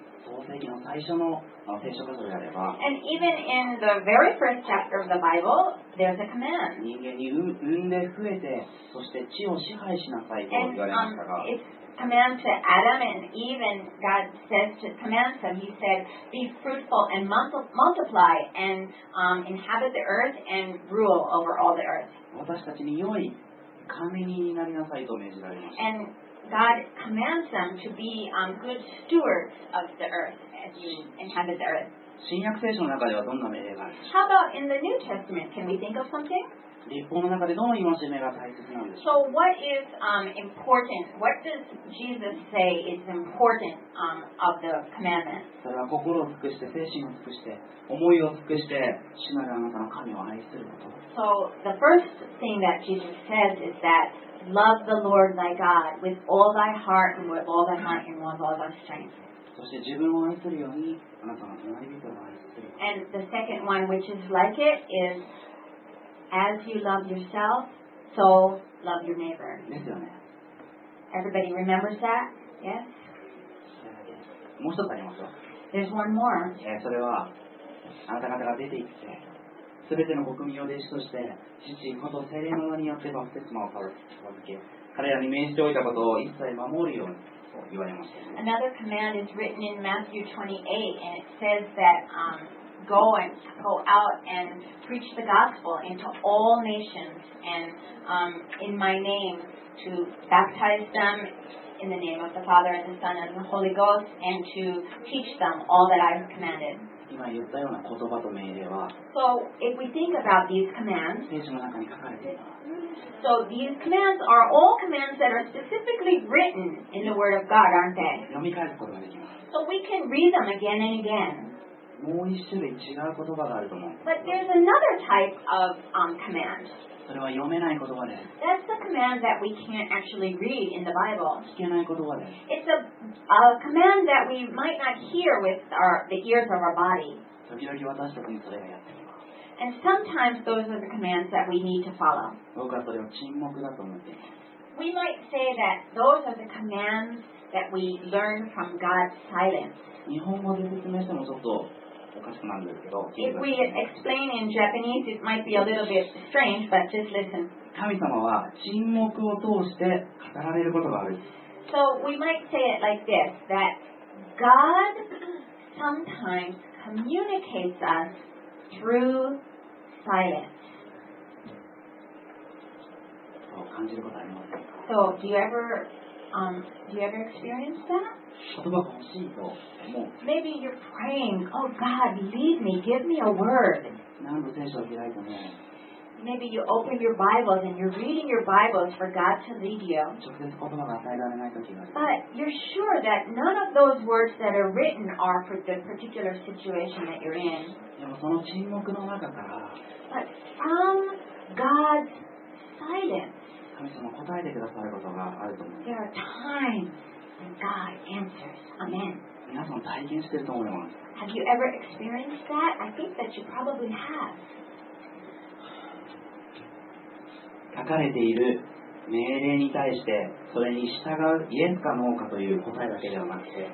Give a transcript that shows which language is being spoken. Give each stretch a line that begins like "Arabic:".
Japanese: 創世記の最初の聖書箇所であれば、
English: And even in the very first chapter of the Bible, there's a command.
Japanese: 人間に産んで増えて、そして地を支配しなさいと言われましたが、
English: Command to Adam and even God says to command them. He said, "Be fruitful and multiply and inhabit the earth and rule over all the earth."
Japanese: 私たちに良い管理人になりなさいと命じられました。
English: And God commands them to be good stewards of the earth as you inhabit the earth.
Japanese: 新約聖書の中ではどんな命令があるんでしょう?
English: How about in the New Testament? Can we think of something?
Japanese: 立法の中でどの戒めが大切なんでしょう?
English: So what is important? What does Jesus say is important of the commandments?
Japanese: それは心を尽くして、精神を尽くして、思いを尽くして、主なるあなたの神を愛すること。
English: So the first thing that Jesus says is that love the Lord thy God with all thy heart and with all thy mind and with all thy strength.
Japanese: そして自分を愛するようにあなたの隣人を愛すること。
English: And the second one which is like it isAs you love yourself, so love your neighbor. Everybody remembers that? Yes?
Japanese: もう一つありますよ。
English: There's one more.
Japanese: それは、あなた方が出て行って、すべての国民を弟子として、父、子と聖霊の名によってバプテスマを授け、彼らに命じておいたことを一切守るように。言われました。
English: Another command is written in Matthew 28, and it says that, go out and preach the gospel into all nations and in my name to baptize them in the name of the Father and the Son and the Holy Ghost and to teach them all that I have commanded.
Japanese: 今言ったような言葉と命令は
English: So if we think about these commands
Japanese: 聖書の中に書かれている
English: So these commands are all commands that are specifically written in the Word of God, aren't they?
Japanese: 読み返すことができます
English: So we can read them again and again
Japanese: もう一種類違う言葉があると思う。
English: But there's another type of command.
Japanese: それは読めない言葉です。
English: That's the command that we can't actually read in the Bible.
Japanese: 聞けない言葉です。
English: It's a command that we might not hear with the ears of our body.
Japanese: 時々私たちにそれがやってきます。
English: And sometimes those are the commands that we need to follow.
Japanese: 僕はそれを沈黙だと思っています。
English: We might say that those are the commands that we learn from God's silence.
Japanese: 日本語で説明してもちょっとおかしくなるんですけど。
English: If we explain in Japanese, it might be a little bit strange, but just listen.
Japanese: 神様は沈黙を通して語られることがある。
English: So we might say it like this: that God sometimes communicates us through silence.
Japanese: そう感じることありますか?
English: So do you ever experience that?
Japanese: 言葉が欲しいと思う。
English: Maybe you're praying, oh God, lead me, give me a word.
Japanese: 何度聖書を開いても。
English: Maybe you open your Bibles and you're reading your Bibles for God to lead you.
Japanese: 直接言葉が与えられない時が。
English: But you're sure that none of those words that are written are for the particular situation that you're in.
Japanese: でもその沈黙の中から。
English: But from God's silence.
Japanese: 神様答えてくださることがあると思う。
English: There are times. God answers. Amen.
Japanese: 皆さん体験してると思います。
English: Have you ever experienced that? I think that you probably have.
Japanese: 書かれている命令に対してそれに従うイエスかノーかという答えだけではなくて。